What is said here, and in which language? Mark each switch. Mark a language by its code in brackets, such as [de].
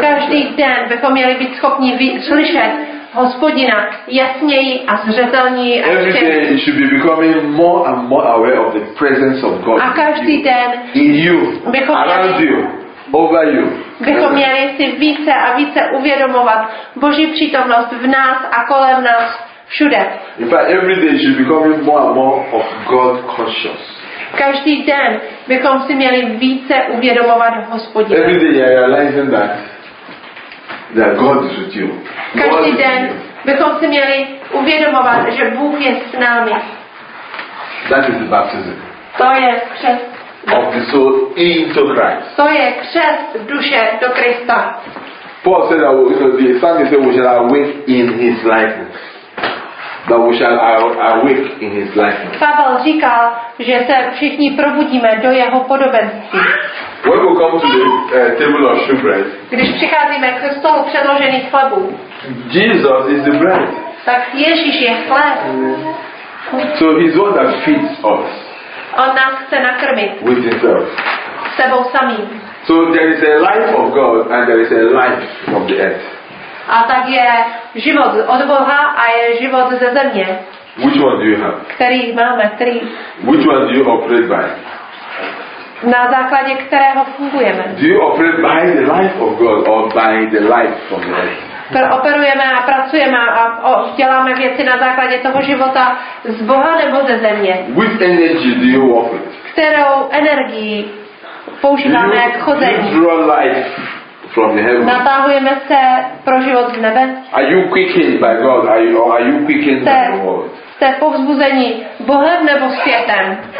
[cs] Každý den bychom měli být schopni slyšet Hospodina jasněji a zřetelněji a všechny. [en] Should be becoming more and more aware of the presence of God. [cs] A každý den [en] in you, around you, over you. [cs] Bychom měli si více a více uvědomovat Boží přítomnost v nás a kolem nás všude. [en] In fact, every day should be becoming more and more of God conscious. [cs] Každý den bychom si měli více uvědomovat Hospodina. [en] Every day you are realizing that that God is with you. [cs] Každý den bychom si měli uvědomovat, že Bůh je s námi. [en] That is the baptism. [cs] To je křest. [en] Of the soul into Christ. [cs] To je křest duše do Krista. [en] Paul said that the psalmist said we shall awake in His likeness. That we shall awake in His likeness. [cs] Pavel říkal, že se všichni probudíme do jeho podobenství. [en] When we come to the table of shewbread. [cs] Když přicházíme k stolu předložených chlebů. [en] Jesus is the bread. [cs] Tak Ježíš je chléb. [en] So He's one that feeds us. [cs] On nás chce nakrmit. [en] With Himself. [cs] Sebou samým. [en] So there is a life of God and there is a life of the earth. [cs] A tak je život od Boha a je život ze země. [en] Which one do you have? [cs] Který máme, který? [en] Which one do you operate by? [cs] Na základě kterého fungujeme? [en] Do you operate by the life of God or by the life from the earth? [cs] Operujeme a pracujeme a děláme věci na základě toho života z Boha nebo ze země. [en] Which energy do you work with? [cs] Kterou energii používáme k chození? [en] Do you draw life from the heaven? [cs] Natáhujeme se pro život z nebe? [en] Are you quickened by God? Are you quickened by the world? [cs] Jste povzbuzení Bohem nebo světem?